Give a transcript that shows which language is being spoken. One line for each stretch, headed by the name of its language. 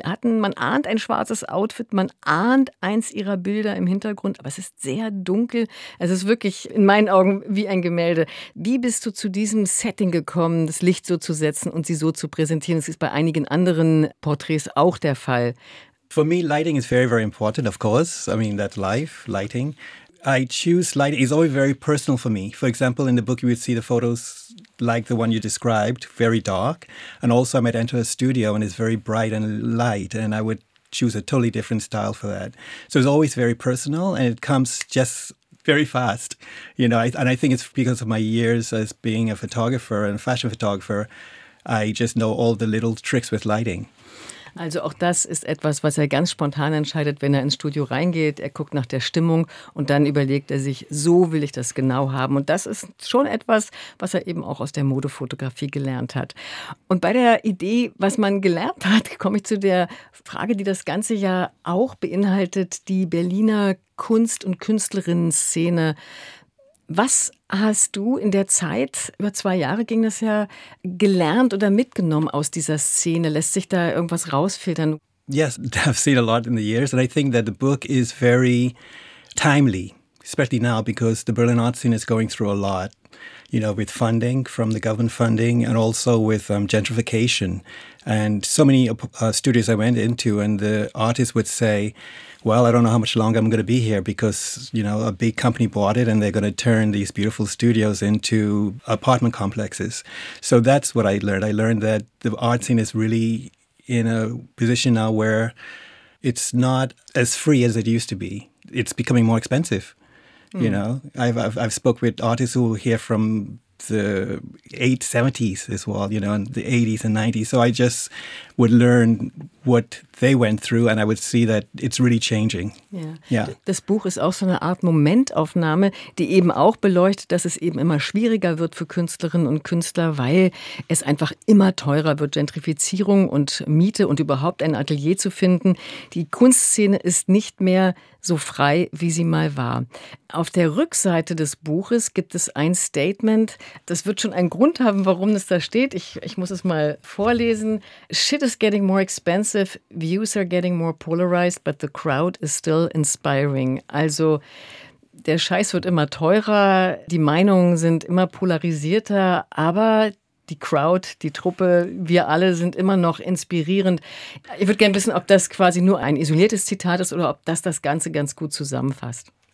German: Man ahnt ein schwarzes Outfit, man ahnt eins ihrer Bilder im Hintergrund, aber es ist sehr dunkel. Es ist wirklich in meinen Augen wie ein Gemälde. Wie bist du zu diesem Setting gekommen, das Licht so zu setzen und sie so zu präsentieren? Das ist bei einigen anderen Porträts auch der Fall.
English: For me, lighting is very, very important, of course. I mean, that life, lighting. I choose lighting. It's always very personal for me. For example, in the book, you would see the photos like the one you described, very dark. And also I might enter a studio and it's very bright and light. And I would choose a totally different style for that. So it's always very personal and it comes just very fast. You know, I think it's because of my years as being a photographer and fashion photographer. I just know all the little tricks with lighting.
German: Also auch das ist etwas, was er ganz spontan entscheidet, wenn er ins Studio reingeht. Er guckt nach der Stimmung und dann überlegt er sich, so will ich das genau haben. Und das ist schon etwas, was er eben auch aus der Modefotografie gelernt hat. Und bei der Idee, was man gelernt hat, komme ich zu der Frage, die das ganze Jahr auch beinhaltet, die Berliner Kunst- und Künstlerinnen-Szene. Was hast du in der Zeit, über 2 Jahre ging das ja, gelernt oder mitgenommen aus dieser Szene? Lässt sich da irgendwas rausfiltern?
English: Yes, I've seen a lot in the years and I think that the book is very timely, especially now because the Berlin art scene is going through a lot, you know, with funding from the government funding and also with gentrification. And so many studios I went into and the artists would say, well, I don't know how much longer I'm going to be here because, you know, a big company bought it and they're going to turn these beautiful studios into apartment complexes. So that's what I learned. I learned that the art scene is really in a position now where it's not as free as it used to be. It's becoming more expensive. You know, I've spoke with artists who were here from the 1870s as well, you know, and the 1880s and 1890s. So I just would learn what they went through and I would see that it's really changing. Yeah. Yeah.
German: Das Buch ist auch so eine Art Momentaufnahme, die eben auch beleuchtet, dass es eben immer schwieriger wird für Künstlerinnen und Künstler, weil es einfach immer teurer wird, Gentrifizierung und Miete und überhaupt ein Atelier zu finden. Die Kunstszene ist nicht mehr so frei, wie sie mal war. Auf der Rückseite des Buches gibt es ein Statement, das wird schon einen Grund haben, warum das da steht. Ich muss es mal vorlesen.
English: Shit is getting more expensive, views are getting more polarized, but the crowd is still inspiring.
German: Also der Scheiß wird immer teurer, die Meinungen sind immer polarisierter, aber die Crowd, die Truppe, wir alle sind immer noch inspirierend. Ich würde gerne wissen, ob das quasi nur ein isoliertes Zitat ist oder ob das das Ganze ganz gut zusammenfasst.